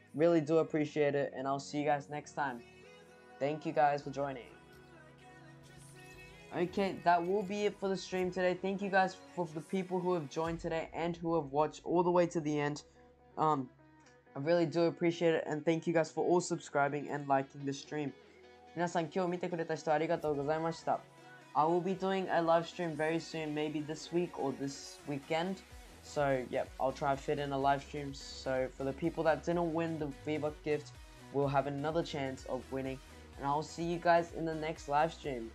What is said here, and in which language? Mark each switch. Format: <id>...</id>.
<en>Really do appreciate it. And I'll see you guys next time. Thank you guys for joining. Okay, that will be it for the stream today. Thank you guys for the people who have joined today and who have watched all the way to the end. I really do appreciate it. And thank you guys for all subscribing and liking the stream.</en> <ja>皆さん、今日見てくれた人ありがとうございました。</ja> <en>I will be doing a live stream very soon, maybe this week or this weekend. So, yep, I'll try to fit in a live stream. So, for the people that didn't win the V-Buck gift, we'll have another chance of winning. And I'll see you guys in the next live stream.</en>